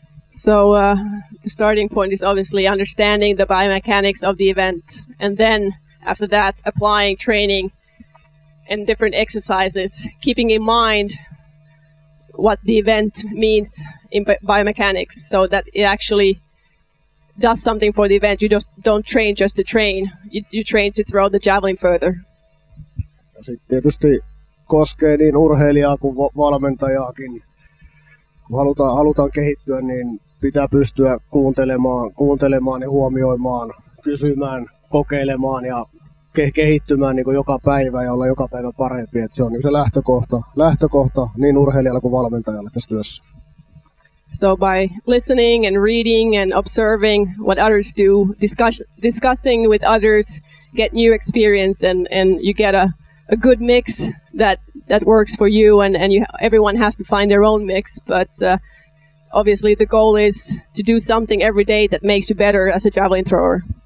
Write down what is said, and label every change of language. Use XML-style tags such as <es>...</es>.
<en>So the starting point is obviously understanding the biomechanics of the event, and then after that applying training and different exercises, keeping in mind what the event means in biomechanics, so that it actually does something for the event. You just don't train just to train. You train to throw the javelin further.</en> <fi>Ja sitten tietysti koskee niin urheilijaa kuin valmentajaakin. Kun halutaan kehittyä, niin pitää pystyä kuuntelemaan ja huomioimaan, kysymään, kokeilemaan ja kehittymään niin kuin joka päivä ja olla joka päivä parempi. Et se on niin kuin se lähtökohta niin urheilijalle kuin valmentajalle tässä työssä.</fi> <en>So by listening and reading and observing what others do, discussing with others, get new experience and you get a good mix that works for you, and you, everyone has to find their own mix, but obviously the goal is to do something every day that makes you better as a javelin thrower.</en>